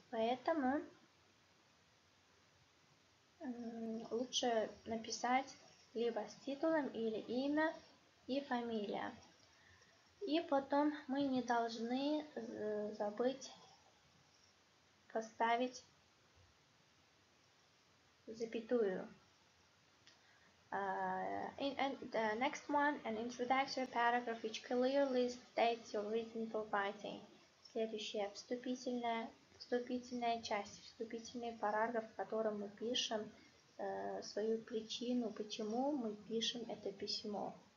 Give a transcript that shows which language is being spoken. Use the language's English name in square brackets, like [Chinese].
[Russian] Поэтому лучше написать либо с титулом или имя и фамилия. И потом мы не должны забыть поставить запятую. [English] The next one, an introductory paragraph which clearly states your reason for writing. [Russian] Следующая вступительная часть, вступительный параграф, в котором мы пишем свою причину, почему мы пишем это письмо.